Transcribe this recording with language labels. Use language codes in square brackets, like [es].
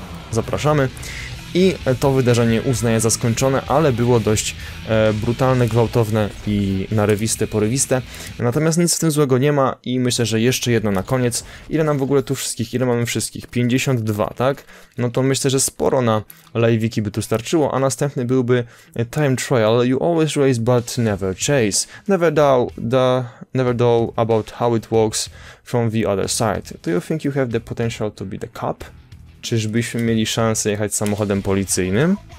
[pl] Zapraszamy. I to wydarzenie uznaję za skończone, ale było dość brutalne, gwałtowne i narywiste, porywiste. Natomiast nic w tym złego nie ma i myślę, że jeszcze jedno na koniec. Ile nam w ogóle tu wszystkich? Ile mamy wszystkich? 52, tak? No to myślę, że sporo na live'iki by tu starczyło, a następny byłby Time Trial. [en] You always race, but never chase. Never doubt about how it works from the other side. Do you think you have the potential to be the cop? [pl] Czyżbyśmy mieli szansę jechać samochodem policyjnym?